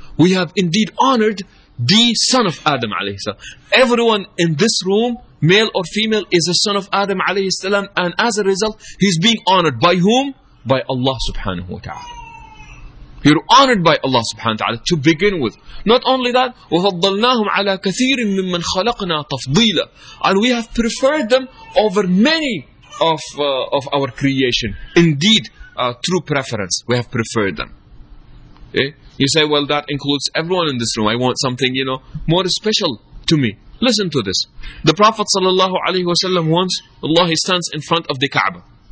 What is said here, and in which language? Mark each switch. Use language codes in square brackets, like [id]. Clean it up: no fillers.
[en] We have indeed honored the son of Adam alayhi salam. Everyone in this room, male or female, is a son of Adam alayhi salam, and as a result, he's being honored by whom? By Allah subhanahu wa ta'ala. You're honored by Allah subhanahu wa ta'ala to begin with. Not only that, [ar] وَفَضَّلْنَاهُمْ عَلَىٰ كَثِيرٍ مِّمَّنْ خَلَقْنَا تَفْضِيلًا. [en] And we have preferred them over many of our creation. Indeed, through preference, we have preferred them. Okay? You say, well, that includes everyone in this room. I want something, you know, more special to me. Listen to this. The Prophet sallallahu alayhi wa sallam once, Allah, he stands in front of the Kaaba.